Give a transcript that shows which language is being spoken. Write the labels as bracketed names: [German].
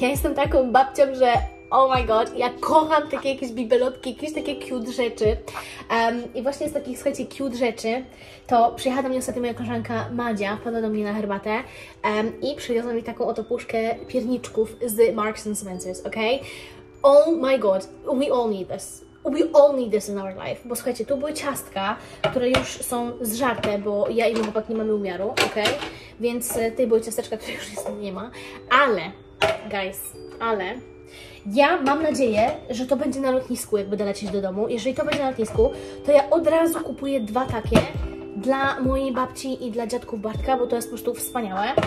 [Polish] Ja jestem taką babcią, że [English] oh my god, [Polish] ja kocham takie jakieś bibelotki, jakieś takie cute rzeczy. I właśnie z takich, słuchajcie, cute rzeczy, to przyjechała do mnie ostatnio moja koleżanka Madzia, wpadła do mnie na herbatę i przywiozła mi taką oto puszkę pierniczków z Marks & Spencer's, ok? [English] Oh my god, we all need this. We all need this in our life. [Polish] Bo słuchajcie, tu były ciastka, które już są zżarte, bo ja i mój chłopak nie mamy umiaru, ok? Więc tutaj były ciasteczka, które już nie ma. Ale, guys, ale... Ja mam nadzieję, że to będzie na lotnisku, jak będę lecieć do domu. Jeżeli to będzie na lotnisku, to ja od razu kupuję dwa takie dla mojej babci i dla dziadków Bartka, bo to jest po prostu wspaniałe.